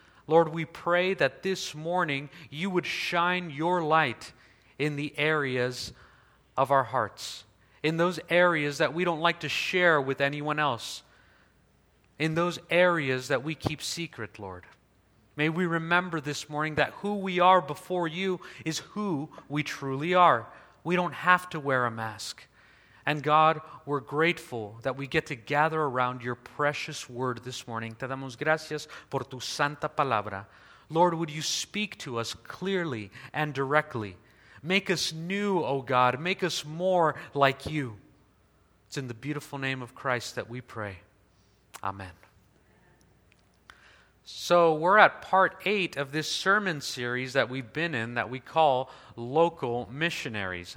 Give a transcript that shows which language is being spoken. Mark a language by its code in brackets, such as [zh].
[en] Lord, we pray that this morning you would shine your light in the areas of our hearts, in those areas that we don't like to share with anyone else, in those areas that we keep secret, Lord. May we remember this morning that who we are before you is who we truly are. We don't have to wear a mask. And God, we're grateful that we get to gather around your precious word this morning. [es] Te damos gracias por tu santa palabra. [en] Lord, would you speak to us clearly and directly? Make us new, O God. Make us more like you. It's in the beautiful name of Christ that we pray. Amen. So we're at part 8 of this sermon series that we've been in that we call Local Missionaries.